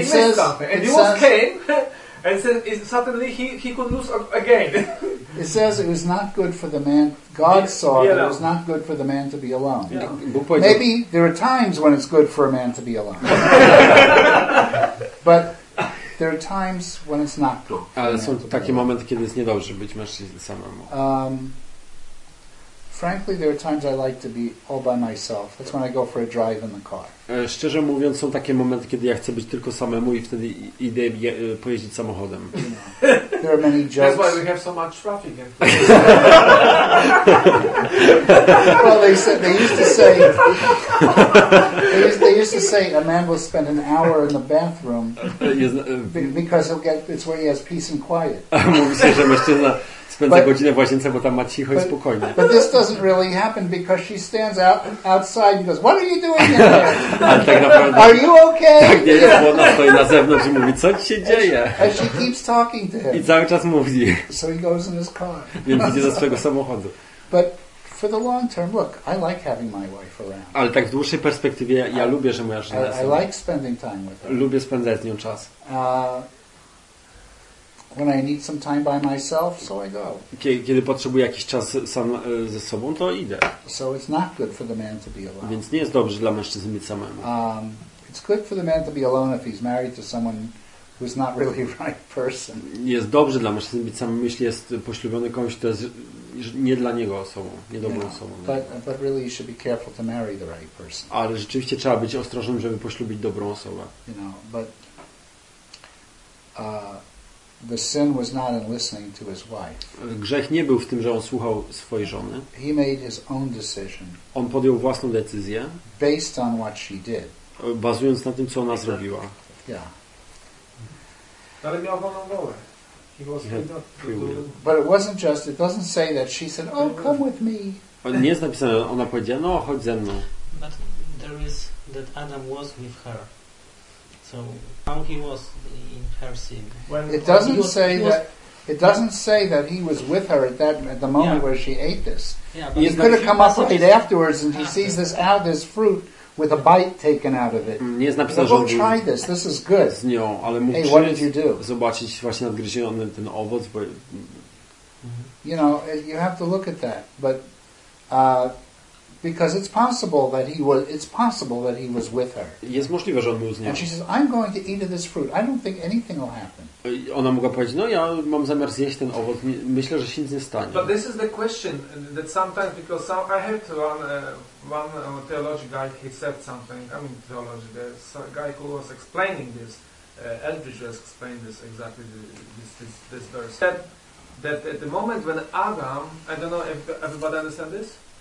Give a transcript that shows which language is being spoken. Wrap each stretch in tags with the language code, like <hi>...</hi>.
<en>missed something, and suddenly he could lose again. It says it was not good for the man. God saw that it was not good for the man to be alone. Yeah. Maybe there are times when it's good for a man to be alone, but. There are times when it's not good.</en> <pl>Ale są takie momenty, kiedy jest niedobrze być mężczyzną samemu.</pl> <en>Frankly, there are times I like to be all by myself. That's when I go for a drive in the car.</en> <pl>Szczerze mówiąc, są takie momenty, kiedy ja chcę być tylko samemu i wtedy idę pojeździć samochodem.</pl> <en>There are many jokes. That's why we have so much traffic. Well, they used to say a man will spend an hour in the bathroom because it's where he has peace and quiet.</en> <pl>Mówi się, że mężczyzna spędza godzinę w łazience, bo tam ma cicho i spokojnie.</pl> <en>But this doesn't really happen because she stands outside and goes, "What are you doing in there?"</en> <pl>Ale tak naprawdę,</pl> <en>are you okay?</en> <pl>Tak nie jest, bo ona stoi na zewnątrz i mówi, co ci się dzieje?</pl> <en>And she keeps talking to him.</en> <pl>I cały czas mówi.</pl> <en>So he goes in his car.</en> <pl>Więc idzie do swojego samochodu.</pl> <en>But for the long term, look, I like having my wife around.</en> <pl>Ale tak w dłuższej perspektywie, ja lubię, że moja żona jest.</pl> <en>I like spending time with her.</en> <pl>Lubię spędzać z nią czas.</pl> <en>When I need some time by myself, so I go.</en> <pl>Kiedy potrzebuję jakiś czas sam ze sobą, to idę.</pl> <en>So it's not good for the man to be alone.</en> <pl>Więc nie jest dobrze dla mężczyzny być samemu.</pl> <en>It's good for the man to be alone if he's married to someone who's not really the right person.</en> <pl>Jest dobrze dla mężczyzny być samym, jeśli jest poślubiony komuś, to jest nie dla niego osobą, niedobrą osobą.</pl> <en>But really you should be careful to marry the right person.</en> <pl>Ale rzeczywiście trzeba być ostrożnym, żeby poślubić dobrą osobę.</pl> <en>You know, but the sin was not in listening to his wife.</en> <pl>Grzech nie był w tym, że on słuchał swojej żony.</pl> <en>He made his own decision.</en> <pl>On podjął własną decyzję.</pl> <en>Based on what she did.</en> <pl>Bazując na tym, co ona zrobiła.</pl> <en>Yeah.</en> <pl>Ale miał wolną wolę.</pl> <en>He was free will. But it wasn't just. It doesn't say that she said, "Oh, come with me."</en> <pl>Nie jest napisane. Ona powiedziała, no, chodź ze mną.</pl> <en>But there is that Adam was with her. So how he was in her sin? It doesn't say that he was with her at the moment where she ate this. Yeah, he could have come up right afterwards, and he sees this out this fruit. With a bite taken out of it.</en> <pl>Nie jest napisane, że</pl> <en>try this. This is good.</en> <pl>Z nią, ale mógł zobaczyć właśnie nadgryziony ten owoc, bo</pl> <en>you know, you have to look at that. But because it's possible that he was with her.</en> <pl>Jest możliwe, że on był z nią.</pl> <en>And she says, "I'm going to eat of this fruit. I don't think anything will happen."</en> <pl>Ona mogła powiedzieć, no ja mam zamiar zjeść ten owoc, myślę, że się nic nie stanie.</pl> <en>But this is the question that sometimes, because some, I heard one theology guy, he said something, I mean theology, the guy who was explaining this, Eldridge just explained this exactly, this verse, said that at the moment when Adam, I don't know if everybody understand this?</en>